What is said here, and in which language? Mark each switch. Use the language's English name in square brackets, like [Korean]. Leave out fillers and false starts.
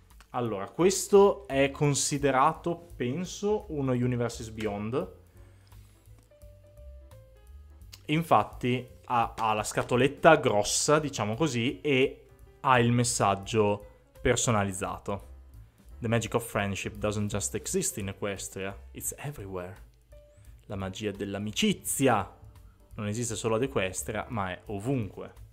[Italian] Allora, questo è considerato, penso, uno Universes Beyond. Infatti ha la scatoletta grossa, diciamo così, e ha il messaggio personalizzato. [English] The magic of friendship doesn't just exist in Equestria, it's everywhere. [Italian] La magia dell'amicizia non esiste solo ad Equestria, ma è ovunque.